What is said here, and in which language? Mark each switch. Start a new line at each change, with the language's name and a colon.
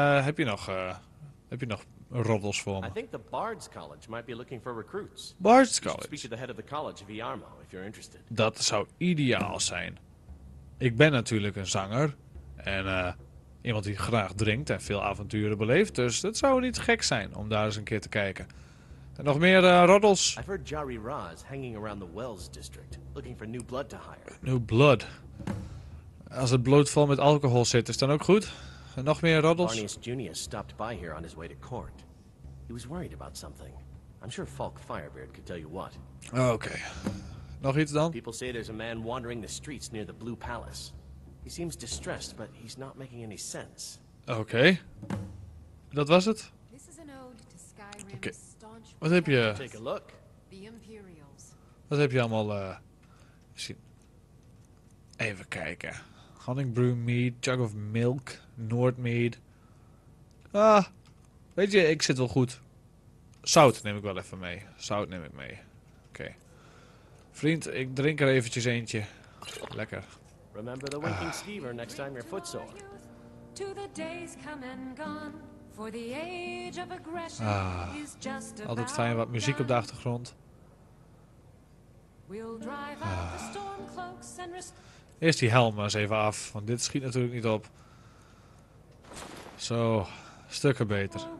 Dutch: Heb je nog roddels voor me.
English: I think the Bard's College might be looking for recruits. Bard's College. Speak to the head of the college, Viarmo, if you're interested.
Dutch: Dat zou ideaal zijn. Ik ben natuurlijk een zanger en iemand die graag drinkt en veel avonturen beleeft, dus het zou niet gek zijn om daar eens een keer te kijken. En nog meer roddels.
English: I've heard Jari Raz hanging around the Wells district, looking for new blood to hire. New blood.
Dutch: Als het bloed vol met alcohol zit, is dan ook goed. En nog meer roddels.
English: Arnius Junius stopped by here on his way to court. He was worried about something. I'm sure Falk Firebeard could tell you what.
Dutch: Okay. Nog iets dan?
English: People say there's a man wandering the streets near the Blue Palace. He seems distressed, but he's not making any sense.
Dutch: Okay. Dat was het.
English: This is an ode to Skyrim's okay. Staunch.
Dutch: Wat heb je?
English: Take a look. The Imperials.
Dutch: Wat heb je allemaal zien? Even kijken.
English: Honningbrew mead, jug of milk, Noordmead.
Dutch: Ah, weet je, ik zit wel goed. Zout neem ik wel even mee. Zout neem ik mee. Oké. Okay. Vriend, ik drink er eventjes eentje. Lekker.
English: Remember the Winking Skeever next time your foot's sore. To the days come and gone, for the age of aggression is just about.
Dutch: Altijd fijn wat muziek op de achtergrond.
English: We'll drive out the storm cloaks
Dutch: Eerst die helm maar eens even af, want dit schiet natuurlijk niet op. Zo, stukken beter.